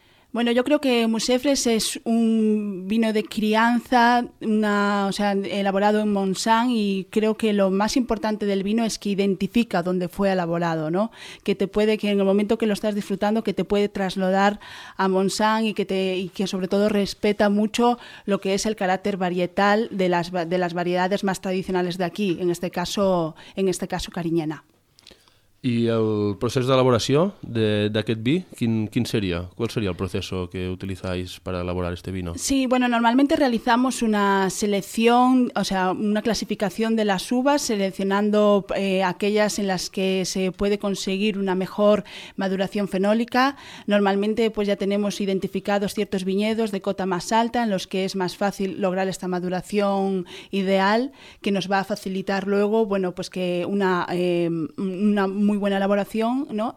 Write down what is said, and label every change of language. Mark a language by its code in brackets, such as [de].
[es] Bueno, yo creo que Musefres es un vino de crianza, elaborado en Montsant, y creo que lo más importante del vino es que identifica dónde fue elaborado, ¿no? Que en el momento que lo estás disfrutando, que te puede trasladar a Montsant y que sobre todo respeta mucho lo que es el carácter varietal de las variedades más tradicionales de aquí, en este caso cariñena. [ca] I el procés d'elaboració d'aquest vi, quin seria? [es] ¿Cuál sería el proceso que utilizáis para elaborar este vino? Sí, bueno, normalmente realizamos una selección, o sea, una clasificación de las uvas, seleccionando aquellas en las que se puede conseguir una mejor maduración fenólica. Normalmente pues ya tenemos identificados ciertos viñedos de cota más alta en los que es más fácil lograr esta maduración ideal, que nos va a facilitar luego, bueno, pues que una muy buena elaboración, ¿no?